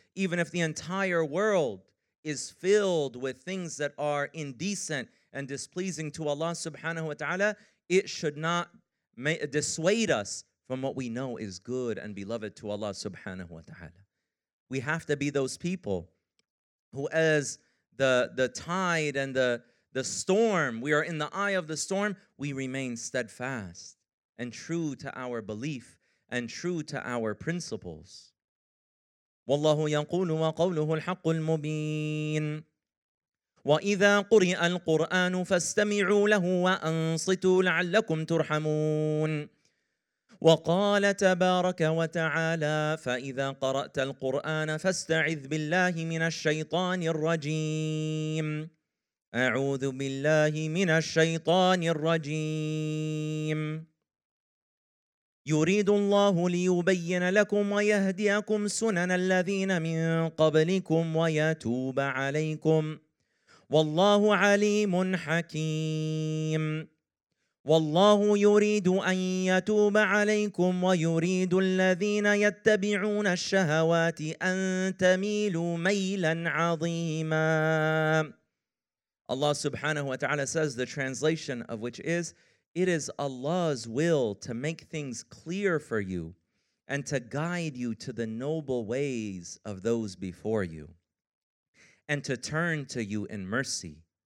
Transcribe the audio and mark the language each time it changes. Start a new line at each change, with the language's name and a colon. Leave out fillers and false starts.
English: Even if the entire world is filled with things that are indecent and displeasing to Allah subhanahu wa ta'ala, it should not dissuade us from what we know is good and beloved to Allah subhanahu wa ta'ala. We have to be those people who, as the tide and the storm, we are in the eye of the storm, we remain steadfast and true to our belief, and true to our principles.
Arabic: وَاللَّهُ يَقُولُ وَقَوْلُهُ الْحَقُّ الْمُبِينُ وَإِذَا قُرِئَ الْقُرْآنُ فَاسْتَمِعُوا لَهُ وَأَنصِتُوا لَعَلَّكُمْ تُرْحَمُونَ وَقَالَ تَبَارَكَ وَتَعَالَى فَإِذَا قَرَأْتَ الْقُرْآنَ فَاسْتَعِذْ بِاللَّهِ مِنَ الشَّيْطَانِ الرَّجِيمِ أَعُوذُ بِاللَّهِ مِنَ الشَّيْطَانِ الرَّجِيمِ يريد الله ليبين لكم ويهديكم سنن الذين من قبلكم ويتوب عليكم والله عليم حكيم والله يريد أن يتوب عليكم ويريد الذين يتبعون الشهوات أن تميلوا ميلا عظيما.
English: Allah subhanahu wa ta'ala says, the translation of which is, it is Allah's will to make things clear for you and to guide you to the noble ways of those before you and to turn to you in mercy.